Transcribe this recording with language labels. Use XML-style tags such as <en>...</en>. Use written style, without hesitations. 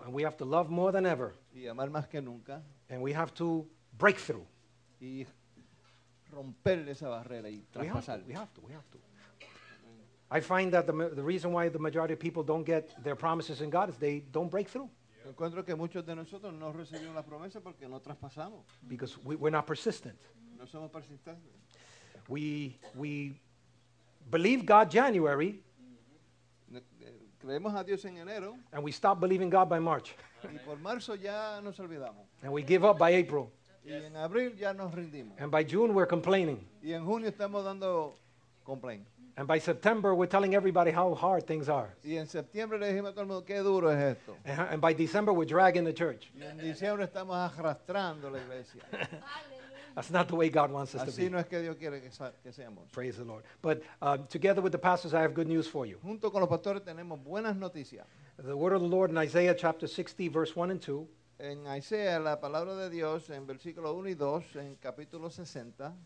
<en>and we have to love more than ever.</en> <es>Y amar más que nunca.</es> <en>And we have to break through.</en> <es>Y romper esa barrera y traspasar.</es> <en>We have to. I find that the reason why the majority of people don't get their promises in God is they don't break through.</en> <es>Encuentro que muchos de nosotros no recibimos las promesas porque no traspasamos.</es> <en>Because we're not persistent.</en> <es>No somos persistentes.</es> <en>We believe God January.</en> <es>Creemos a Dios en enero.</es> <en>And we stop believing God by March.</en> <es>Y por marzo ya nos olvidamos.</es> <en>And we give up by April.</en> <es>Y en abril ya nos rendimos.</es> <en>And by June we're complaining.</en> <es>Y en junio estamos dando complain.</es> <en>And by September we're telling everybody how hard things are.</en> <es>Y en septiembre le dijimos a todo el mundo qué duro es esto.</es> <en>And by December we're dragging the church.</en> <es>Y en diciembre estamos arrastrando la iglesia.</es> <en>That's not the way God wants us</en> <es>así</es> <en>to be.</en> <es>No es que Dios quiere que seamos.</es> <en>Praise the Lord. But together with the pastors, I have good news for you.</en> <es>Junto con los pastores tenemos buenas noticias.</es> <en>The word of the Lord in Isaiah chapter 60, verse 1 and 2.</en> <es>En Isaiah, la palabra de Dios, en versículo 1 y 2, en capítulo 60.</es>